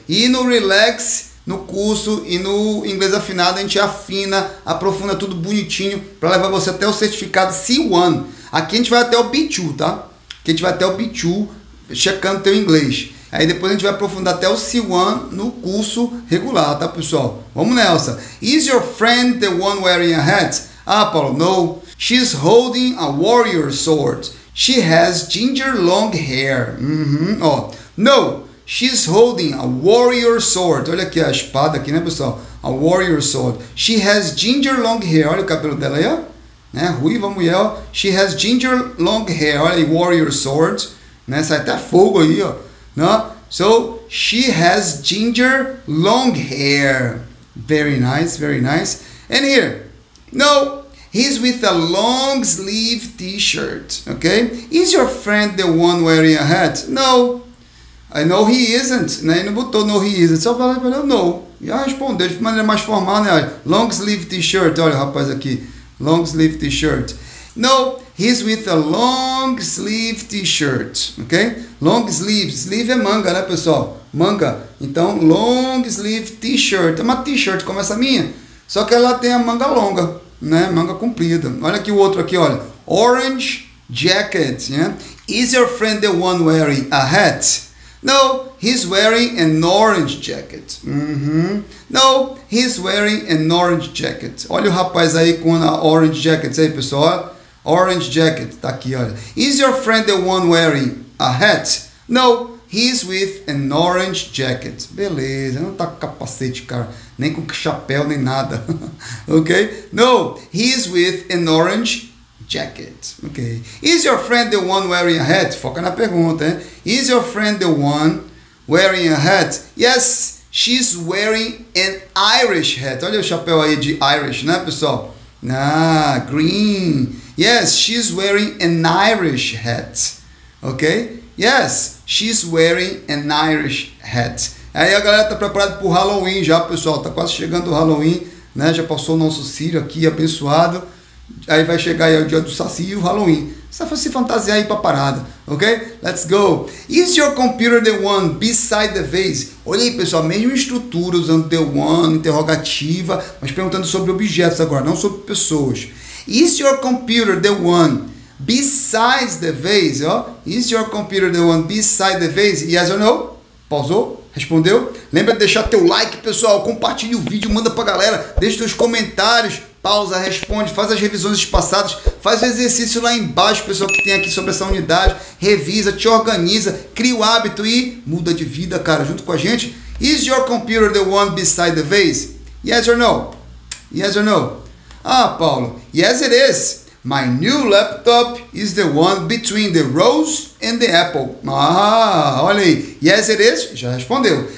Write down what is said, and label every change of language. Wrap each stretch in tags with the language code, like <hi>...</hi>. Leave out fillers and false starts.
<pt>E no Relax, no curso e no Inglês Afinado, a gente afina, aprofunda tudo bonitinho para levar você até o certificado C1. Aqui a gente vai até o B2, tá? Aqui a gente vai até o B2, checando teu inglês. Aí depois a gente vai aprofundar até o C1 no curso regular, tá, pessoal? Vamos nessa.</pt> <en>Is your friend the one wearing a hat? Ah, Paulo, no. She's holding a warrior sword. She has ginger long hair. Uhum, ó. No. She's holding a warrior sword.</en> <pt>Olha aqui a espada aqui, né, pessoal?</pt> <en>A warrior sword. She has ginger long hair.</en> <pt>Olha o cabelo dela aí, ó. Né? Ruiva mulher.</pt> <en>She has ginger long hair.</en> <pt>Olha aí,</pt> <en>warrior sword. Né?</en> <pt>Sai até fogo aí, ó.</pt> <en>No? So, she has ginger long hair. Very nice, very nice. And here. No, he's with a long sleeve t-shirt. Okay? Is your friend the one wearing a hat? No. I know he isn't. Né?</en> <pt>Ele não botou no</pt> <en>he isn't.</en> <pt>Só falou, no. Já respondeu de maneira mais formal, né?</pt> <en>Long sleeve t-shirt.</en> <pt>Olha o rapaz aqui.</pt> <en>Long sleeve t-shirt. No, he's with a long sleeve t-shirt.</en> <pt>Okay?</pt> <en>Long sleeve.</en> <pt>Sleeve é manga, né, pessoal? Manga. Então,</pt> <en>long sleeve t-shirt.</en> <pt>É uma t-shirt como essa minha. Só que ela tem a manga longa, né? Manga comprida. Olha aqui o outro aqui, olha.</pt> <en>Orange jacket, yeah? Is your friend the one wearing a hat? No, he's wearing an orange jacket. Mm-hmm. No, he's wearing an orange jacket.</en> <pt>Olha o rapaz aí com a orange jacket. Aí, pessoal. Orange jacket. Tá aqui, olha.</pt> <en>Is your friend the one wearing a hat? No, he's with an orange jacket.</en> <pt>Beleza. Não tá com capacete, cara. Nem com chapéu, nem nada. Ok?</pt> <en>No, he's with an orange jacket. Ok. Is your friend the one wearing a hat?</en> <pt>Foca na pergunta, hein?</pt> <en>Is your friend the one wearing a hat? Yes, She's wearing an Irish hat.</en> <pt>Olha o chapéu aí de Irish, né, pessoal?</pt> <en>Ah, green. Yes, she's wearing an Irish hat. Okay? Yes, she's wearing an Irish hat.</en> <pt>Aí a galera tá preparada pro Halloween já, pessoal. Tá quase chegando o Halloween, né? Já passou o nosso Círio aqui, abençoado. Aí vai chegar aí o dia do Saci e o Halloween. Só pra se fantasiar aí pra parada, ok?</pt> <en>Let's go. Is your computer the one beside the vase?</en> <pt>Olha aí, pessoal, mesma estrutura, usando the one, interrogativa, mas perguntando sobre objetos agora, não sobre pessoas.</pt> <en>Is your computer the one beside the vase? Oh? Is your computer the one beside the vase? Yes or no?</en> <pt>Pausou? Respondeu? Lembra de deixar teu like, pessoal. Compartilha o vídeo, manda pra galera. Deixa teus comentários. Pausa, responde, faz as revisões espaçadas, faz o exercício lá embaixo, pessoal, que tem aqui sobre essa unidade. Revisa, te organiza, cria o hábito e muda de vida, cara, junto com a gente.</pt> <en>Is your computer the one beside the vase? Yes or no? Yes or no? Ah, Paulo, yes it is. My new laptop is the one between the rose and the apple.</en> <pt>Ah, olha aí.</pt> <en>Yes, it is.</en> <pt>Já respondeu.</pt>